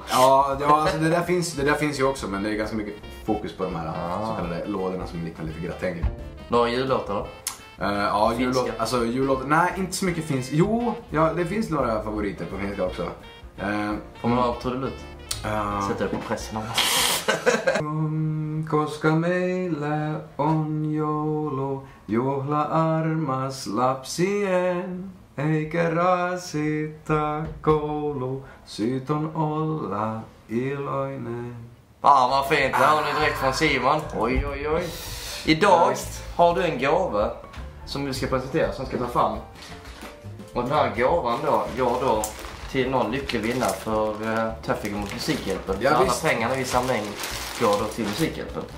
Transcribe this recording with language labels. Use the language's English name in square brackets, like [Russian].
[Swedish] Ja, ja alltså, det där finns ju också, men det är ganska mycket fokus på de här så kallade lådorna som liknar lite gratäng. Några jullåtar då? Ja, jullåtar. Nej, inte så mycket finns. Jo, ja, det finns några favoriter på finska också. Får man avtår det ut? Sätter du på pressen annars. [Finnish] Koska meillä on joulu, juhla armas lapsien, eikä rasita koulu, syyt on olla iloinen. [Swedish] Ah, vad fint, det har ni direkt från Simon. Oj, oj, oj. Idag har du en gåva som vi ska presentera, som ska ta fram. Och den här gåvan då, går då till någon lycklig vinnare för Tuffingen mot Musikhjälpen. Ja, så alla pengarna i samma mängd går då till Musikhjälpen.